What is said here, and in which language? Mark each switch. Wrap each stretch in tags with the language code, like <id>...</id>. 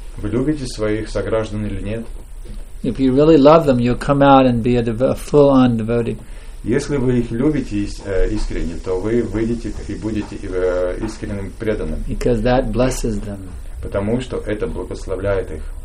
<ru>Вы любите своих сограждан или нет?</ru> <en>If you really love them, you'll come out and be a full-on devotee.</en> <ru>Если вы их любите искренне, то вы выйдете и будете искренним преданным.</ru> <en>Because that blesses them.</en> <ru>Потому что это благословляет их.</ru>